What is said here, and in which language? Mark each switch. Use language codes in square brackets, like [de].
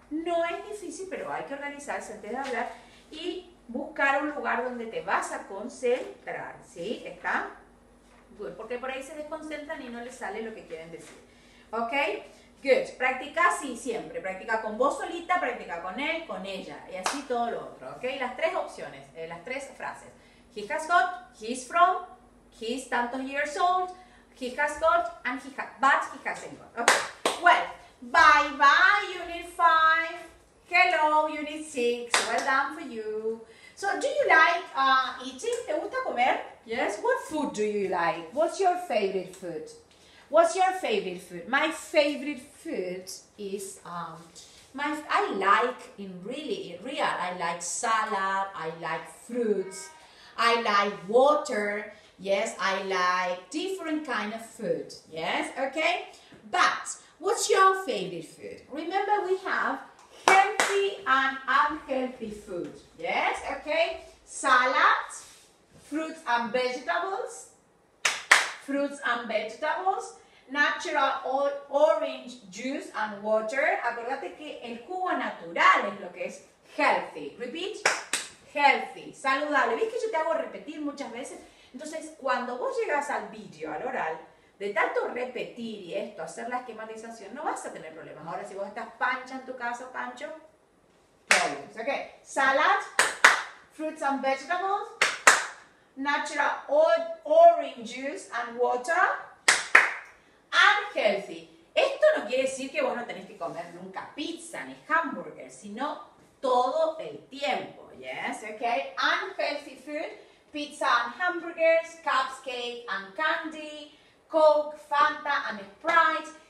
[es] No es difícil, pero hay que organizarse antes de hablar y buscar un lugar donde te vas a concentrar, ¿sí? ¿Está? [en] Good. [es] Porque por ahí se desconcentran y no les sale lo que quieren decir. ¿Ok? [en] Good. [es] Practica así siempre. Practica con vos solita, practica con él, con ella. Y así todo lo otro, ¿ok? Las tres opciones, las tres frases. [en] He has got, he's from, he's [es] tantos [en] years old, he has got, and he has, but he hasn't got. ¿Ok? Well, bye bye, Unit 5. Hello, Unit 6. Well done for you. So, do you like eating? [es] ¿Te gusta comer? [en] Yes. What food do you like? What's your favorite food? What's your favorite food? My favorite food is I like salad. I like fruits. I like water. Yes, I like different kind of food. Yes. Okay. But what's your favorite food? Remember, we have healthy and unhealthy food. Yes, okay? Salad, fruits and vegetables, natural orange juice and water. [es] Acuérdate que el jugo natural es lo que es healthy. [en] Repeat, healthy, [es] saludable. ¿Viste que yo te hago repetir muchas veces? Entonces, cuando vos llegas al video, al oral, de tanto repetir y esto, hacer la esquematización, no vas a tener problemas. Ahora, si vos estás pancha en tu casa, pancho, [en] problems. Okay. Salad, fruits and vegetables, natural orange juice and water, and healthy. [es] Esto no quiere decir que vos no tenés que comer nunca pizza ni hamburger, sino todo el tiempo. [en] Yes, okay. Unhealthy food, pizza and hamburgers, cupcake and candy, Coke, Fanta, and Sprite.